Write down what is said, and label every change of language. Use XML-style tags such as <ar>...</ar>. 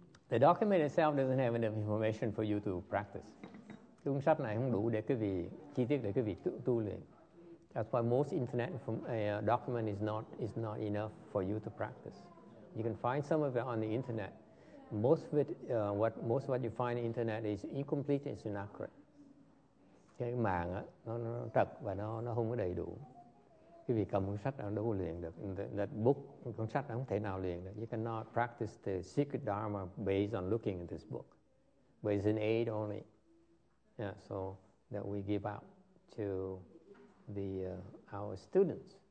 <en>The document itself doesn't have enough information for you to practice.</en> <vi>Cuốn sách này không đủ để quý vị chi tiết để quý vị tu luyện.</vi> <en>That's why most internet from a document is not enough for you to practice. You can find some of it on the internet. Most of what you find on the internet is incomplete and inaccurate.</en> <vi>Cái mạng á nó trật và nó không có đầy đủ. quý vị cầm cuốn sách đâu có luyện được.</vi> <en>That book,</en> <vi>cuốn sách không thể nào luyện được.</vi> <en>You cannot practice the secret dharma based on looking at this book. But it's an aid only. Yeah, so that we give out to the our students.</en>